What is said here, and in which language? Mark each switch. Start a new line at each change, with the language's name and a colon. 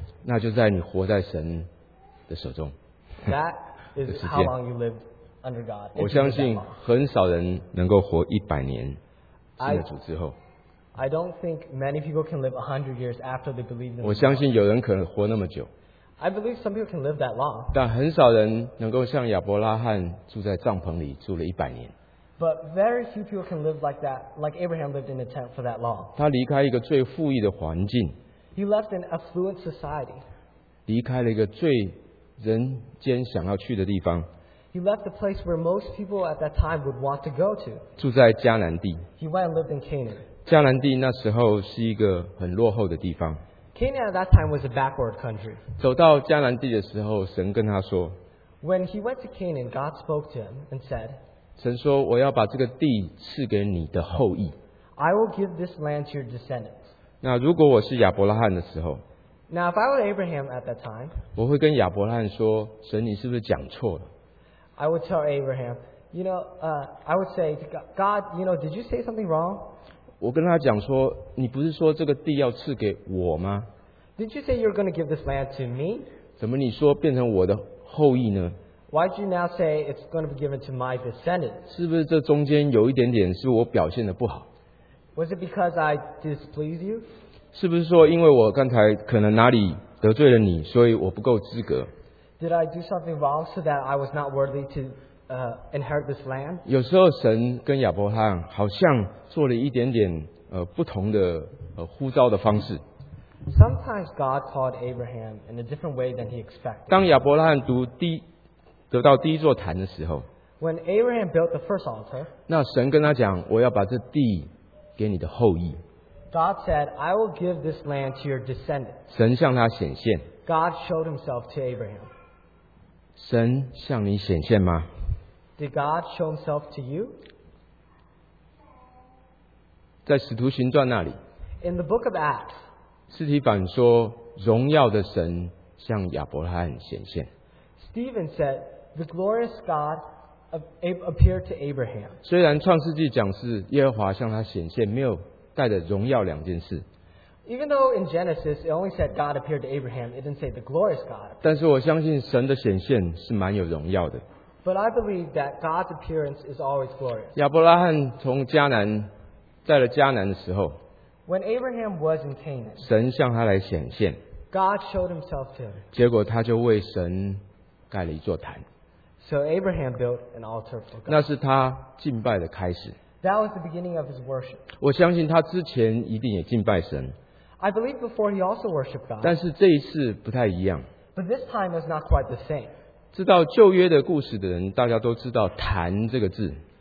Chinese: 那就在你活在神的手中。
English: That is how long you lived under God.
Chinese: 我相信很少人能够活100年信了主之后。
English: I don't think many people can live 100 years after they believe in the Lord.
Chinese: 我相信有人可能活那么久。
English: I believe some people can live that long.
Chinese: 但很少人能够像亚伯拉罕住在帐篷里住了100年。
English: But very few people can live like that, like Abraham lived in a tent for that long.
Chinese: 他离开一个最富裕的环境。
English: He left an affluent society.
Chinese: 离开了一个最人间想要去的地方。
English: He left the place where most people at that time would want to go to.
Chinese: 住在迦南地。
English: He went and lived in Canaan.
Chinese: 迦南地那时候是一个很落后的地方。
English: Canaan at that time was a backward country.
Chinese: 走到迦南地的时候，神跟他说。
English: When he went to Canaan, God spoke to him and said,
Chinese: 神说，我要把这个地赐给你的后裔。
English: I will give this land to your descendants.
Chinese: 那如果我是亚伯拉罕的时候。
English: Now if I were Abraham at that time,
Chinese: 我会跟亚伯拉罕说，神你是不是讲错了？
English: I would tell Abraham, you know, I would say, God, you know, did you say something wrong?
Chinese: 我跟他讲说，你不是说这个地要赐给我吗？
English: Did you say you're going to give this land to me?
Chinese: 怎么你说变成我的后裔呢？
English: Why did you now say it's going to be given to my descendants?
Chinese: 是不是这中间有一点点是我表现的不好？
English: Was it because I displeased you?
Chinese: 是不是说因为我刚才可能哪里得罪了你，所以我不够资格？
English: Did I do something wrong so that I was not worthy to... inherit this land.
Chinese: 有时候神跟亚伯拉罕好像做了一点点不同的呼召的方式。
English: Sometimes God called Abraham in a different way than he expected.
Chinese: 当亚伯拉罕得到第一座坛的时候
English: ，When Abraham built the first altar,
Chinese: 那神跟他讲，我要把这地给你的后裔。
English: God said, "I will give this land to your descendants."
Chinese: 神向他显现。
English: God showed himself to Abraham.
Chinese: 神向你显现吗？
English: Did God show himself to you?
Chinese: 在使徒行传那里
English: In the book of Acts,
Chinese: 斯提凡说荣耀的神向亚伯拉罕显现
English: Stephen said, the glorious God appeared to Abraham.
Chinese: 虽然创世纪讲是耶和华向他显现没有带着荣耀两件事
English: Even though in Genesis, it only said God appeared to Abraham, it didn't say the glorious God.
Chinese: 但是我相信神的显现是蛮有荣耀的
English: But I believe that God's appearance is always glorious.
Chinese: 亚伯拉罕从迦南在了迦南的时候
English: ，When Abraham was in Canaan,
Chinese: 神向他来显现
English: ，God showed himself to him.
Chinese: 结果他就为神盖了一座坛
English: ，So Abraham built an altar for God.
Chinese: 那是他敬拜的开始
English: ，That was the beginning of his worship.
Chinese: 我相信他之前一定也敬拜神
English: ，I believe before he also worshipped God.
Chinese: 但是这一次不太一样
English: ，But this time was not quite the same.
Chinese: 知道旧约的故事的人，大家都知道“坛”这个字。